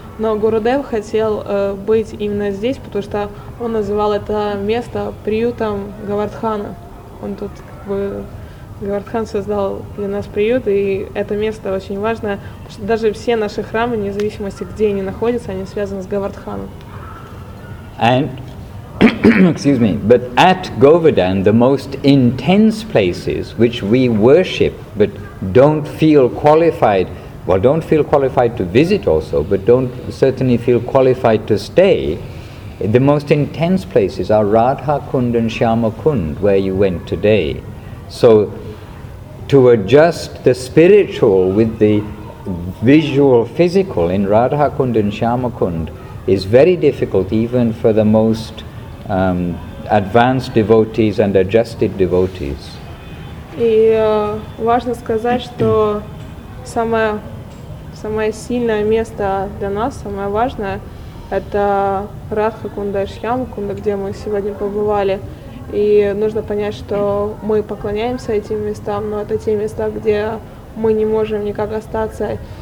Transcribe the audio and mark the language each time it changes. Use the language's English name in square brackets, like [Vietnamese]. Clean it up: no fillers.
[Russian] Но Гурудев хотел быть именно здесь, потому что он называл это место приютом Говардхана. Он тут Говардхан создал для нас приют, и это место очень важное, потому что даже все наши храмы, вне зависимости, где они находятся, они связаны с Говардханом. [English] And excuse me, but at Govardhan the most intense places which we worship but don't feel qualified, well, don't feel qualified to visit also, but don't certainly feel qualified to stay. The most intense places are Radha Kund and Shyama Kund, where you went today. So, to adjust the spiritual with the visual, physical in Radha Kund and Shyama Kund is very difficult, even for the most advanced devotees and adjusted devotees. [Russian] И важно сказать, что самое сильное место для нас, самое важное, это Радха Кундашьям, Кунда, где мы сегодня побывали. И нужно понять, что мы поклоняемся этим местам, но это те места, где мы не можем никак остаться.